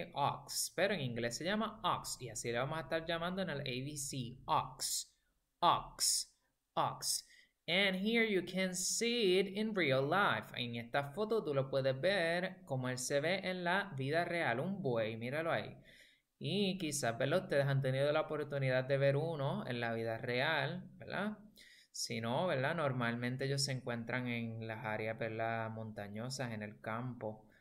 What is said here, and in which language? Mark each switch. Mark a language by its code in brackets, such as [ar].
[es] Ox, pero en inglés se llama ox, y así le vamos a estar llamando en el ABC, ox, ox, ox. [en] And here you can see it in real life. [es] En esta foto tú lo puedes ver como él se ve en la vida real, un buey, míralo ahí. Y quizás, ¿verdad? Ustedes han tenido la oportunidad de ver uno en la vida real, ¿verdad? Si no, ¿verdad? Normalmente ellos se encuentran en las áreas, ¿verdad? Montañosas, en el campo.